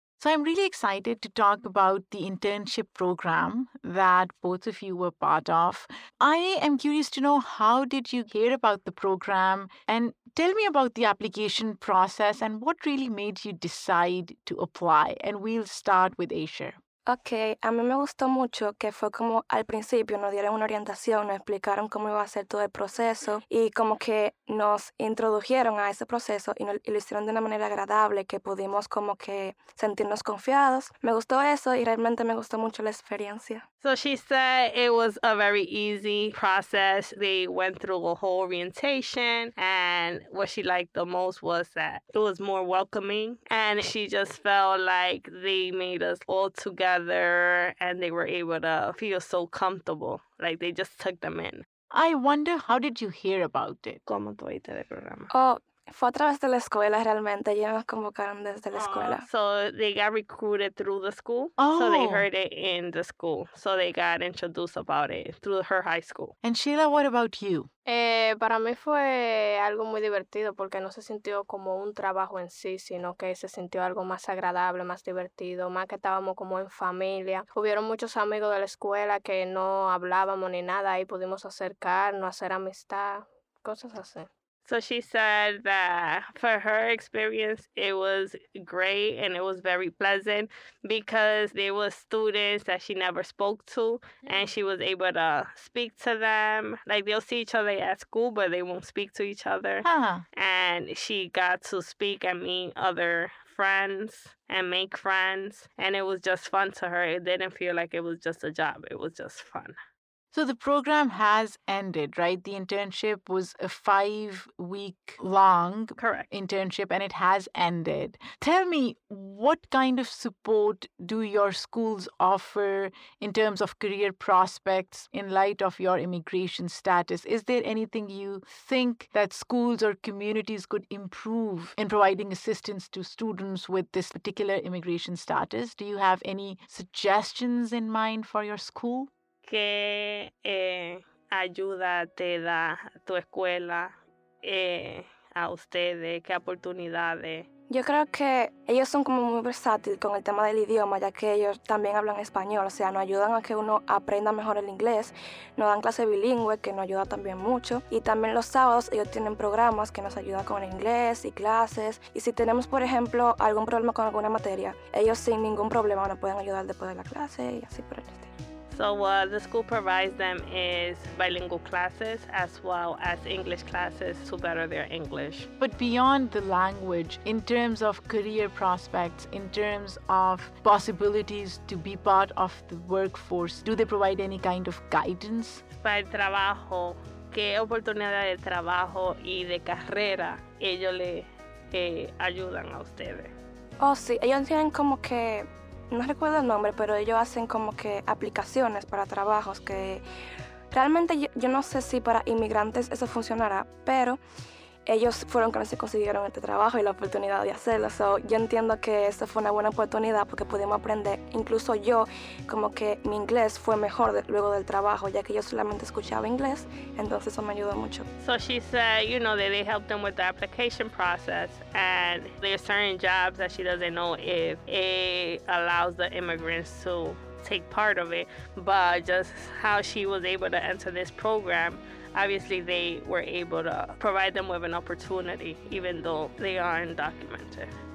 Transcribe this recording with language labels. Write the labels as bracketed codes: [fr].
[en] So I'm really excited to talk about the internship program that both of you were part of. I am curious to know, how did you hear about the program? And tell me about the application process and what really made you decide to apply. And we'll start with Aisha. [es] Okay, a mí me gustó mucho que fue como al principio nos dieron una orientación, nos explicaron cómo iba a ser todo el proceso y como que nos introdujeron a ese proceso y lo hicieron de una manera agradable que pudimos como que sentirnos confiados. Me gustó eso y realmente me gustó mucho la experiencia. [en] So she said it was a very easy process. They went through a whole orientation and what she liked the most was that it was more welcoming and she just felt like they made us all together and they were able to feel so comfortable. Like they just took them in. I wonder, how did you hear about it? [es] ¿Cómo te oíste del programa? Oh, fue a través de la escuela realmente. Ya nos convocaron desde la escuela. [en] So they got recruited through the school. Oh. So they heard it in the school. So they got introduced about it through her high school. And Sheila, what about you? [es] Para mí fue algo muy divertido porque no se sintió como un trabajo en sí, sino que se sintió algo más agradable, más divertido, más que estábamos como en familia. Hubieron muchos amigos de la escuela que no hablábamos ni nada y pudimos acercarnos, hacer amistad, cosas así. [en] So she said that for her experience, it was great and it was very pleasant because there were students that she never spoke to and she was able to speak to them. Like they'll see each other at school, but they won't speak to each other. Uh-huh. And she got to speak and meet other friends and make friends. And it was just fun to her. It didn't feel like it was just a job. It was just fun. So the program has ended, right? The internship was a 5-week long Correct. Internship and it has ended. Tell me, what kind of support do your schools offer in terms of career prospects in light of your immigration status? Is there anything you think that schools or communities could improve in providing assistance to students with this particular immigration status? Do you have any suggestions in mind for your school? [es] ¿Qué ayuda te da tu escuela a ustedes? ¿Qué oportunidades? Yo creo que ellos son como muy versátiles con el tema del idioma, ya que ellos también hablan español. O sea, nos ayudan a que uno aprenda mejor el inglés. Nos dan clase bilingüe, que nos ayuda también mucho. Y también los sábados ellos tienen programas que nos ayudan con el inglés y clases. Y si tenemos, por ejemplo, algún problema con alguna materia, ellos sin ningún problema nos pueden ayudar después de la clase y así por el estilo. [en] So what the school provides them is bilingual classes as well as English classes to better their English. But beyond the language, in terms of career prospects, in terms of possibilities to be part of the workforce, do they provide any kind of guidance? [es] Para el trabajo, ¿qué oportunidad de trabajo y de carrera ellos le ayudan a ustedes? Oh, sí. Ellos tienen como que, no recuerdo el nombre, pero ellos hacen como que aplicaciones para trabajos que realmente yo no sé si para inmigrantes eso funcionará, pero ellos fueron quienes consiguieron este trabajo y la oportunidad de hacerlo. So, yo entiendo que esto fue una buena oportunidad porque pudimos aprender, incluso yo, como que mi inglés fue mejor luego del trabajo, ya que yo solamente escuchaba inglés, entonces eso me ayudó mucho. [en] So she said, you know, that they helped them with the application process and there are certain jobs that she doesn't know if it allows the immigrants to take part of it, but just how she was able to enter this program, obviously they were able to provide them with an opportunity even though they are undocumented.